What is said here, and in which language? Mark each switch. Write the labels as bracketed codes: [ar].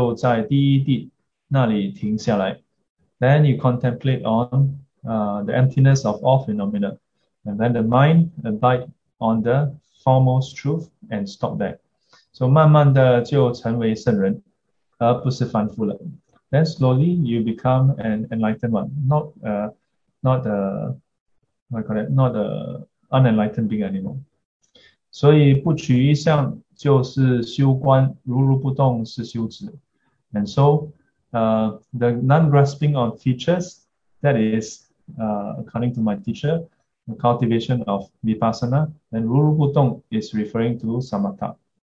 [zh] 观一切法空,心就在第一地那里停下来. [en] Then you contemplate on the emptiness of all phenomena. And then the mind abide on the foremost truth and stop there. [zh] So 慢慢的就成为圣人,而不是凡夫了. [en] Then slowly you become an enlightened one, not a unenlightened being anymore. [zh] 所以不取一相就是修观,如如不动是修止. [en] And so the non-grasping of features, that is, according to my teacher, the cultivation of vipassana, and ruru-bu-tong is referring to samatha.